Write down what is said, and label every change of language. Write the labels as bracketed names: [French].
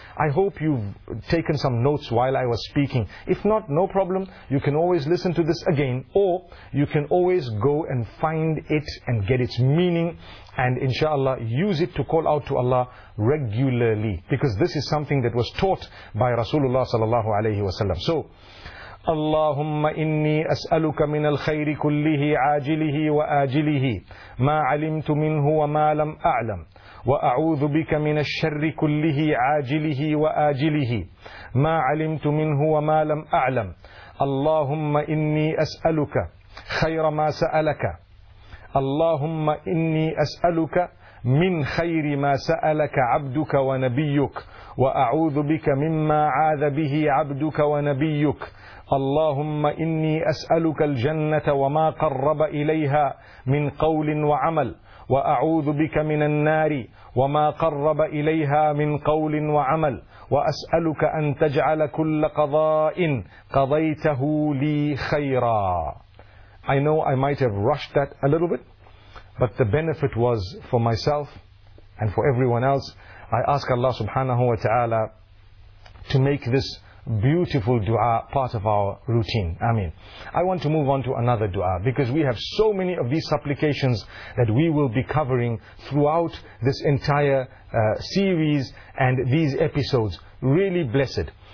[English] I hope you've taken some notes while I was speaking. If not, no problem. You can always listen to this again, or you can always go and find it and get its meaning and inshallah use it to call out to Allah regularly, because this is something that was taught by Rasulullah sallallahu alayhi wa sallam. So, [Arabic] اللهم إني أسألك من الخير كله عاجله وآجله ما علمت منه وما لم أعلم وأعوذ بك من الشر كله عاجله وآجله ما علمت منه وما لم أعلم اللهم إني أسألك خير ما سألك اللهم إني أسألك من خير ما سألك عبدك ونبيك وأعوذ بك مما عاذ به عبدك ونبيك اللهم إني أسألك الجنة وما قرب إليها من قول وعمل وأعوذ بك من النار وما قرب إليها من قول وعمل وأسألك أن تجعل كل قضاء قضيته لي خيرا. [English] I know I might have rushed that a little bit, but the benefit was for myself and for everyone else. I ask Allah subhanahu wa ta'ala to make this beautiful dua part of our routine. Ameen. I want to move on to another dua, because we have so many of these supplications that we will be covering throughout this entire series and these episodes. Really blessed.